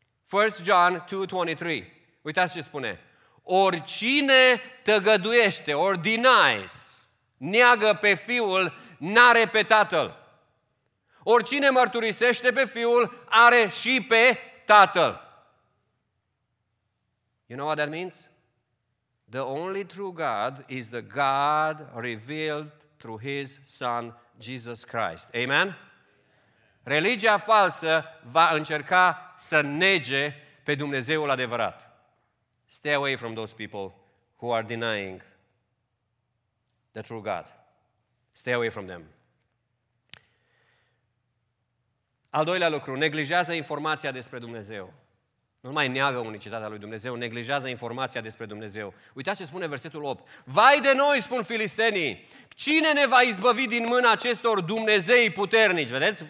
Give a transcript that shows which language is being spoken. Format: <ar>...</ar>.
<ro>1 John 2:23. Uitați ce spune. Oricine tăgăduiește,</ro> <en>or denies,</en> <ro>neagă pe Fiul, n-are pe Tatăl. Oricine mărturisește pe Fiul, are și pe Tatăl.</ro> <en>You know what that means? The only true God is the God revealed through His Son, Jesus Christ. Amen?</en> <ro>Religia falsă va încerca să nege pe Dumnezeul adevărat.</ro> <en>Stay away from those people who are denying the true God. Stay away from them.</en> <ro>Al doilea lucru, neglijează informația despre Dumnezeu. Nu mai neagă unicitatea lui Dumnezeu, neglijează informația despre Dumnezeu. Uitați ce spune versetul 8. Vai de noi, spun filistenii, cine ne va izbăvi din mâna acestor Dumnezei puternici? Vedeți?</ro>